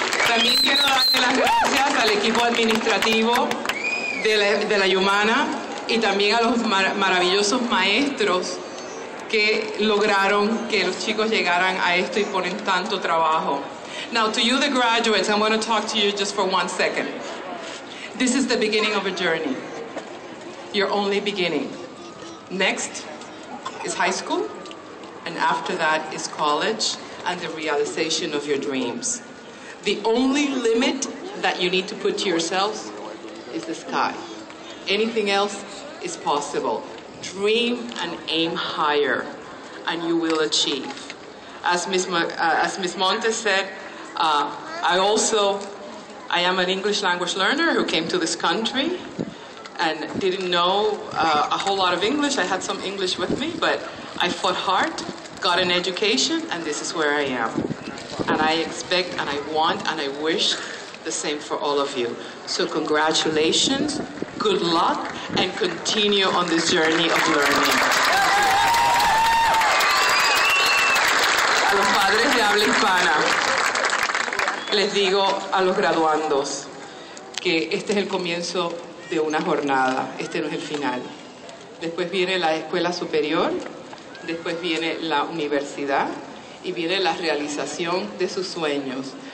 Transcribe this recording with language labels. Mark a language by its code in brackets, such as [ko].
[es] También quiero darle las gracias al equipo administrativo de la Humana y también a los maravillosos maestros que lograron que los chicos llegaran a esto y ponen tanto trabajo. [en] Now, to you, the graduates, I'm going to talk to you just for one second. This is the beginning of a journey. Your only beginning. Next is high school, and after that is college and the realization of your dreams. The only limit that you need to put to yourselves is the sky. Anything else is possible. Dream and aim higher, and you will achieve. As Ms. Montes said, I am an English language learner who came to this country and didn't know a whole lot of English. I had some English with me, but I fought hard, got an education, and this is where I am. And I expect and I want and I wish the same for all of you. So congratulations, good luck, and continue on this journey of learning. [es] A los padres de habla hispana, les digo a los graduandos que este es el comienzo de una jornada, este no es el final. Después viene la escuela superior, después viene la universidad y viene la realización de sus sueños.